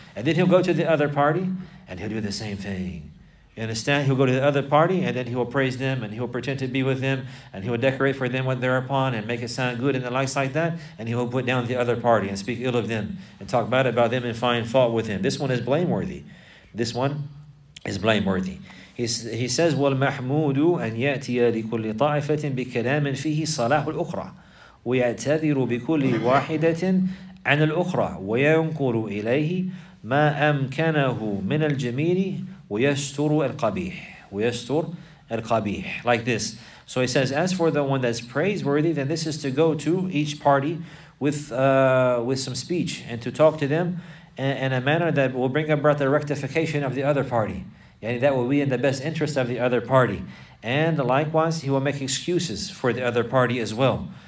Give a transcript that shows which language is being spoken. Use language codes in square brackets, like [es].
[en] And then he'll go to the other party, and he'll do the same thing. You understand? He'll go to the other party, and then he will praise them, and he will pretend to be with them, and he will decorate for them what they're upon, and make it sound good, and the likes like that. And he will put down the other party, and speak ill of them, and talk bad about them, and find fault with them. This one is blameworthy. This one is blameworthy. He says, [ar] وَالْمَحْمُودُ أَنْ يَأْتِيَ لِكُلِّ طَائِفَةٍ بِكَلَامٍ فِيهِ صَلَاحُ الْأُخْرَى ويعتذر بكل واحدة عن الأخرى وينقل إليه ما أمكنه من الجميل ويستر القبيح ويستر القبيح. [en] Like this. So he says, as for the one that's praiseworthy, then this is to go to each party with some speech and to talk to them in a manner that will bring about the rectification of the other party. And that will be in the best interest of the other party. And likewise, he will make excuses for the other party as well.